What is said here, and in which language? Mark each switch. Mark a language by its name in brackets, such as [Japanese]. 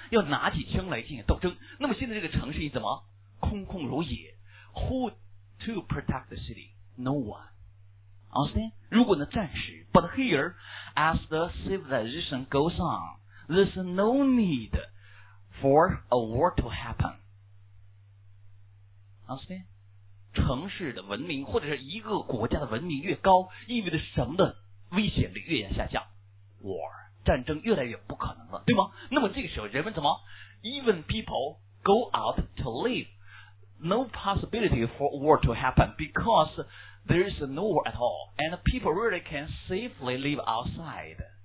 [Chinese] 要拿起枪来进行斗争。那么现在这个城市怎么空空如也 ？ [English] Who to protect the city？ No one。 Understand? [Chinese] 如果呢暂时 [English] ，but here as the civilization goes on, there's no need for a war to happen. understand？ [Chinese] 城市的文明或者是一个国家的文明越高，意味着什么的危险率越下降 ，war 战争越来越不可能了，对吗？那么这个时候人们怎么 [English] ？Even people go out to live, no possibility for war to happen because there is no war at all, and people really can safely live outside.